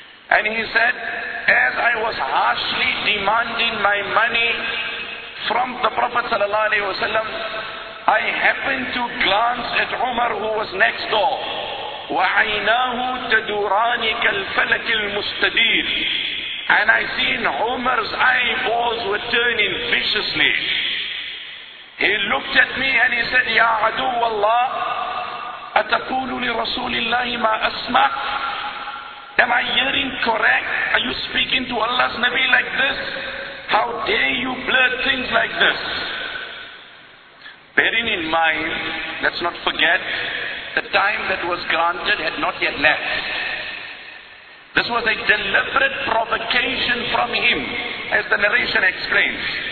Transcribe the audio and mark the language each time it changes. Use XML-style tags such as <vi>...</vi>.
<en>And he said, "As I was harshly demanding my money from the Prophet sallallahu alaihi wasallam, I happened to glance at Umar, who was next door.</en> <ar>وَعَيْنَاهُ تَدُورَانِ كَالْفَلَكِ الْمُسْتَدِيرِ.</ar> <en>And I seen Umar's eyeballs were turning viciously. He looked at me and he said,</en> <ar>يَا عَدُوَ اللَّهِ أَتَقُولُ لِرَسُولِ اللَّهِ مَا أَسْمَعْ.</ar> <en>Am I hearing correct? Are you speaking to Allah's Nabi like this? How dare you blurt things like this?" Bearing in mind, let's not forget, the time that was granted had not yet left. This was a deliberate provocation from him, as the narration explains.</en>